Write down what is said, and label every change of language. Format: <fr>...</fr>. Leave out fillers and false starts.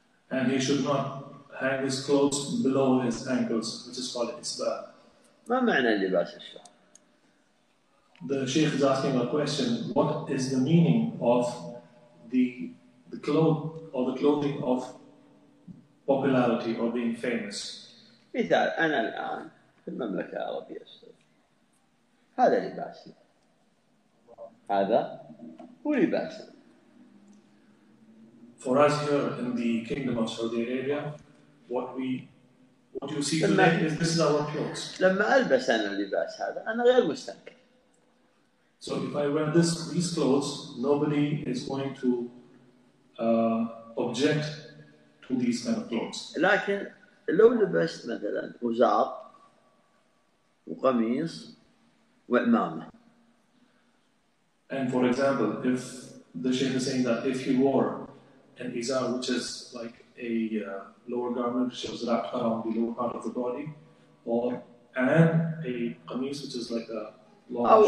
<en>And he should not hang his clothes below his ankles, which is called إسبال.</en> <ar>ما معنى لباس الشهر؟</ar> <en>The Shaykh is asking a question. What is the meaning of the cloth or the clothing of popularity or being famous?</en> <ar>مثال أنا الآن في المملكة العربية السعودية. هذا لباسي. هذا هو لباسي.</ar> <en>For us here in the Kingdom of Saudi Arabia, what you see today is this is our clothes.</en> <ar>لما ألبس أنا اللباس هذا أنا غير مستنكر.</ar> <en>So if I wear these clothes, nobody is going to object to these kind of clothes.</en> <ar>لكن لو لبست مثلا أزار وقميص وعمامة.</ar> <en>And for example, if the Shaykh is saying that if he wore an izar, which is like a lower garment which was wrapped around the lower part of the body, or and a qamis, which is like a long</en>